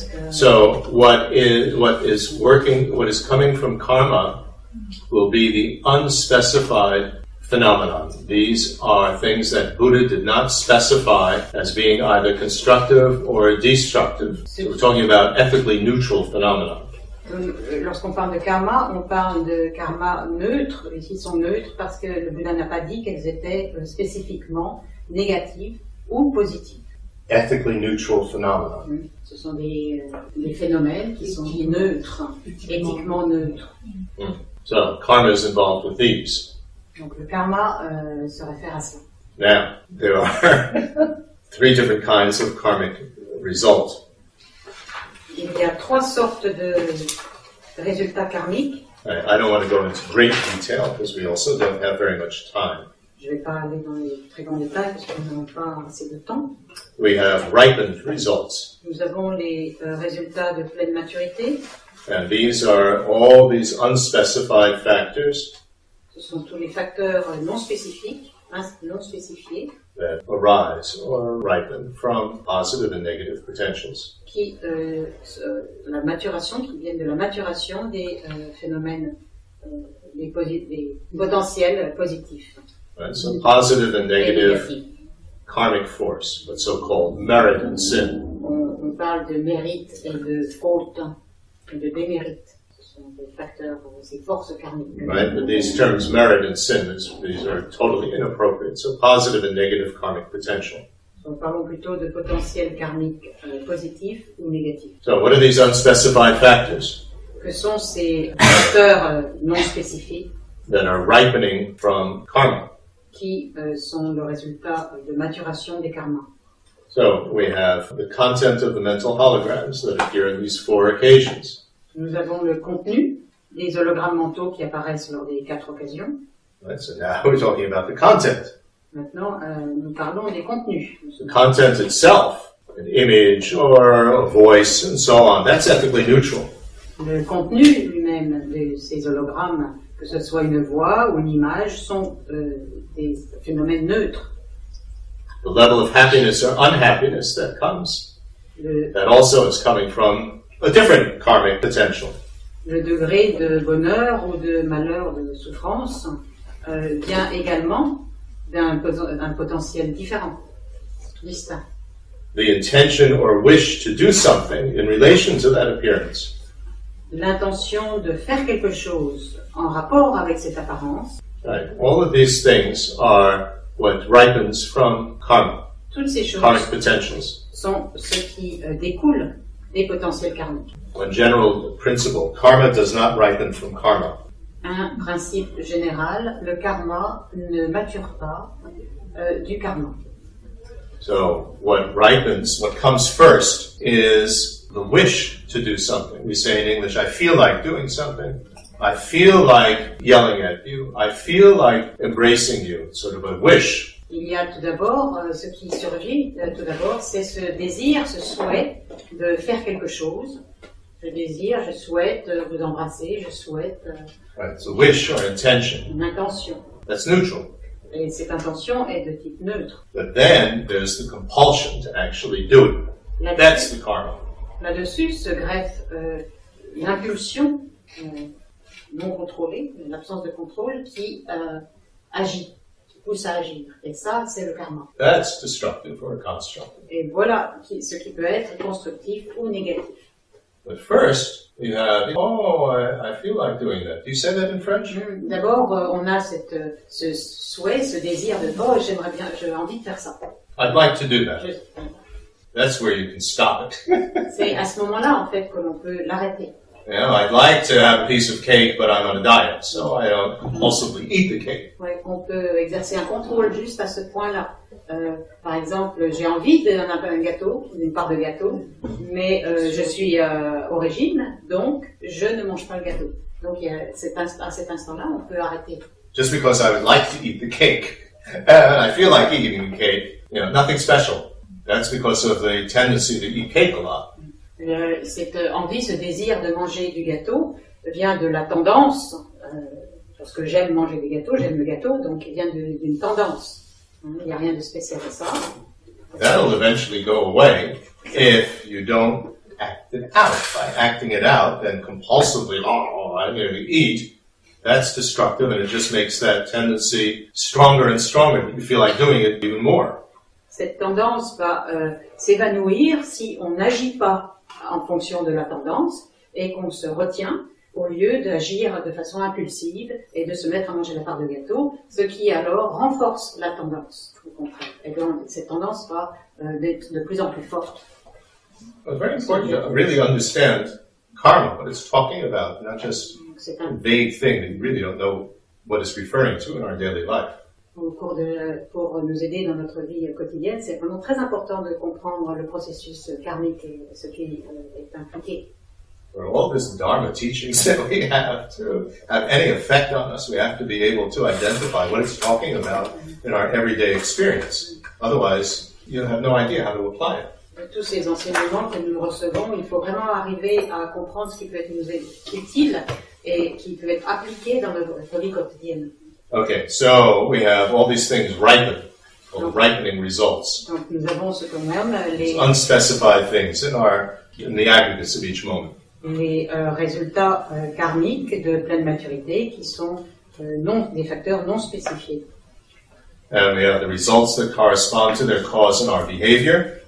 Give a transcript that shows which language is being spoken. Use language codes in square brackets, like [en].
[en] So what is coming from karma will be the unspecified phenomenon. These are things that Buddha did not specify as being either constructive or destructive. So we're talking about ethically neutral phenomena. [fr] Lorsqu'on parle de karma, on parle de karma neutre. Ici, ils sont neutres parce que le Bouddha n'a pas dit qu'elles étaient spécifiquement négatives ou positives. [en] Ethically neutral phenomena. Mm. [fr] Ce sont des phénomènes qui sont dits neutres, éthiquement neutres. Mm. [en] So, karma is involved with these. [fr] Donc le karma se réfère à ça. [en] Now, there are three different kinds of karmic results. [fr] Il y a trois sortes de résultats karmiques. [en] I don't want to go into great detail because we also don't have very much time. [fr] Je ne vais pas aller dans les très grands détails parce que nous n'avons pas assez de temps. [en] We have ripened results. [fr] Nous avons les résultats de pleine maturité. [en] And these are all these unspecified factors. [fr] Ce sont tous les facteurs non spécifiques, non spécifiés. [en] That arise or ripen from positive and negative potentials. [fr] Qui la maturation qui viennent de la maturation des phénomènes des potentiels positifs. [en] Right, so positive and negative karmic force, but so-called merit and sin. [fr] On parle de mérite et de faute et de démérite. Ce sont des facteurs, ces forces karmiques. [en] Right, but these terms merit and sin, these are totally inappropriate. So positive and negative karmic potential. [fr] Donc parlons plutôt de potentiel karmique positif ou négatif. [en] So what are these unspecified factors? [fr] Que sont ces facteurs non spécifiques? [en] That are ripening from karma. [fr] Qui sont le résultat de maturation des karmas. [en] So, we have the content of the mental holograms that appear in these four occasions. [fr] Nous avons le contenu des hologrammes mentaux qui apparaissent lors des quatre occasions. [en] Right, so now we're talking about the content. [fr] Maintenant, nous parlons des contenus. [en] The content itself, an image or a voice and so on, that's ethically neutral. [fr] Le contenu lui-même de ces hologrammes, que ce soit une voix ou une image, sont des phénomènes neutres. [en] The level of happiness or unhappiness that comes, that also is coming from a different karmic potential. [fr] Le degré de bonheur ou de malheur, de souffrance, vient également d'un potentiel différent, distinct. [en] The intention or wish to do something in relation to that appearance. [fr] L'intention de faire quelque chose en rapport avec cette apparence. [en] Right. All of these things are what ripens from karma. [fr] Toutes ces choses [en] karmic potentials [fr] sont ce qui découle des potentiels karmiques. [en] One general principle, karma does not ripen from karma. [fr] Un principe général, le karma ne mature pas du karma. [en] So, what ripens, what comes first is the wish to do something. We say in English, I feel like doing something. I feel like yelling at you. I feel like embracing you. Sort of a wish. [fr] Il y a tout d'abord, ce qui surgit tout d'abord, c'est ce désir, ce souhait de faire quelque chose. Je désire, je souhaite vous embrasser, je souhaite... [en] Right, it's a wish or intention. [fr] Une intention. [en] That's neutral. [fr] Et cette intention est de type neutre. [en] But then, there's the compulsion to actually do it. [fr] Là-dessus, [en] that's the karma. [fr] Là-dessus se greffe l'impulsion non contrôlée, l'absence de contrôle, qui agit, qui pousse à agir. Et ça, c'est le karma. [en] That's destructive or constructive. [fr] Et voilà ce qui peut être constructif ou négatif. [en] But first, you have, oh, I feel like doing that. Do you say that in French? [fr] D'abord, on a ce souhait, ce désir de, oh, j'aimerais bien, j'ai envie de faire ça. [en] I'd like to do that. That's where you can stop it. [fr] C'est à ce moment-là, en fait, que l'on peut l'arrêter. [en] Yeah, I'd like to have a piece of cake, but I'm on a diet, so I don't compulsively eat the cake. [fr] Ouais, on peut exercer un contrôle juste à ce point-là. Par exemple, j'ai envie d'en avoir un gâteau, une part de gâteau, mais je suis au régime, donc je ne mange pas le gâteau. Donc à cet instant-là, on peut arrêter. [en] Just because I would like to eat the cake, and I feel like eating the cake, you know, nothing special. That's because of the tendency to eat cake a lot. [fr] Cette envie, ce désir de manger du gâteau vient de la tendance, parce que j'aime manger des gâteaux, j'aime le gâteau, donc il vient d'une tendance. Il n'y a rien de spécial à ça. [en] That'll eventually go away if you don't act it out. By acting it out, then compulsively, oh, I'm going to eat, that's destructive and it just makes that tendency stronger and stronger. You feel like doing it even more. [fr] Cette tendance va s'évanouir si on n'agit pas en fonction de la tendance et qu'on se retient au lieu d'agir de façon impulsive et de se mettre à manger la part de gâteau, ce qui alors renforce la tendance, au contraire. Et donc, cette tendance va être de plus en plus forte. [en] It's very important to really understand karma, what it's talking about, not just a vague thing that you really don't know what it's referring to in our daily life. [fr] Pour nous aider dans notre vie quotidienne, c'est vraiment très important de comprendre le processus karmique et ce qui est impliqué. [en] For all this dharma teachings that we have to have any effect on us, we have to be able to identify what it's talking about in our everyday experience. Otherwise, you have no idea how to apply it. [fr] De tous ces enseignements que nous recevons, il faut vraiment arriver à comprendre ce qui peut être nous utile et qui peut être appliqué dans notre vie quotidienne. [en] Okay, so we have all these things ripen, or ripening results. [fr] Donc nous avons ce qu'on aime, les [en] unspecified things in the aggregates of each moment. [fr] Les résultats karmiques de pleine maturité qui sont des facteurs non spécifiés. [en] And we have the results that correspond to their cause in our behavior.